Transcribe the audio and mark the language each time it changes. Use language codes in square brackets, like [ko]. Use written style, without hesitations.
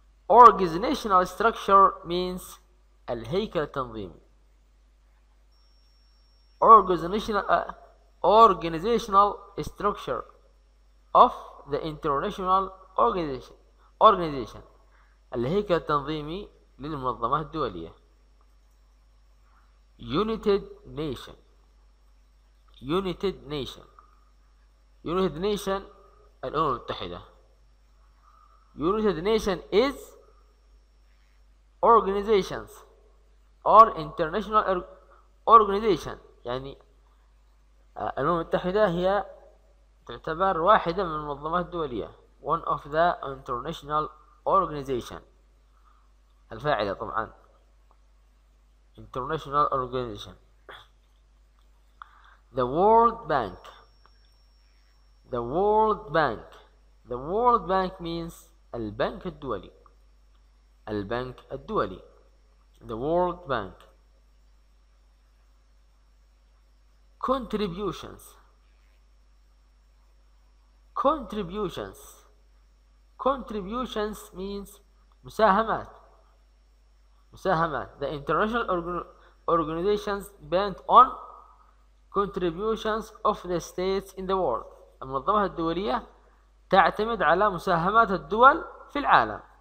[en] Organizational structure means [ar] الهيكل التنظيمي. [en] Organizational structure of the international organization. [ar] الهيكل التنظيمي للمنظمات الدولية. [en] United Nation. United Nation. United Nation [ar] الأمم المتحدة. [en] United Nation is organizations or international organization. [ar] يعني الأمم المتحدة هي تعتبر واحدة من المنظمات الدولية [en] one of the international organization [ar] الفاعلة طبعا [en] international organization. The World Bank. The World Bank. The World Bank means [ar] البنك الدولي. البنك الدولي. [en] The World Bank. Contributions. Contributions. Contributions means مساهمات. [ar] مساهمات. [en] The international organizations depend on contributions of the states in the world. [ar] المنظمات الدولية تعتمد على مساهمات الدول في العالم.